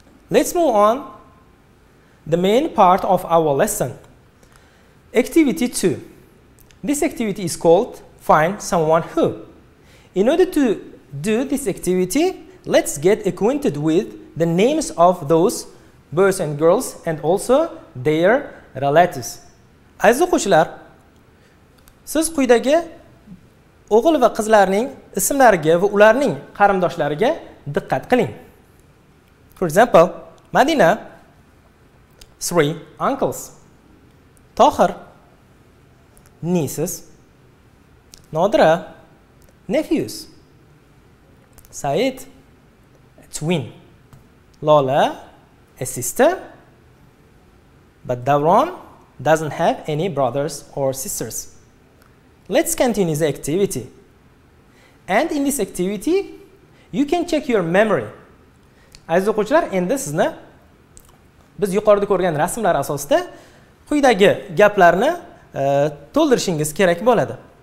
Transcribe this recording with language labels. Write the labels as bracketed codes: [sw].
[en] Let's move on the main part of our lesson. Activity 2. This activity is called Find Someone Who. In order to do this activity, let's get acquainted with the names of those boys and girls and also their relatives. [uz] Aziz o'quvchilar, siz quyidagi o'g'il va qizlarning ismlariga va ularning qarindoshlariga diqqat qiling. [en] For example, Madina, 3 uncles. Tohir, nieces. Nodira, nephews. Said, a twin. Lola, a sister. But Davron doesn't have any brothers or sisters. Let's continue the activity. And in this activity, you can check your memory. [uz] Aziz o'quvchilar, endi sizni biz yuqorida ko'rgan rasmlar asosida quyidagi gaplarni to'ldirishingiz kerak bo'ladi.